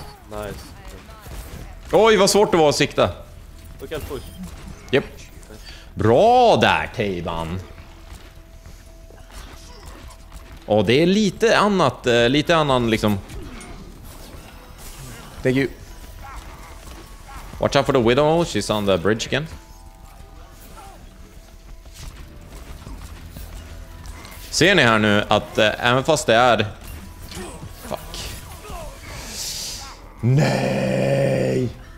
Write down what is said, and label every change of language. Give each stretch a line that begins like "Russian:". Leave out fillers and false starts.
English: Nice.
Swedish: Oj, vad svårt det var att sikta. Du kan push. Yep. Bra där, Teiban. Och det är lite annat, lite annan liksom.
English: Thank you. Watch out for the widow, she's on the bridge again.
Swedish: Ser ni här nu att även fast det är... Fuck. Nej!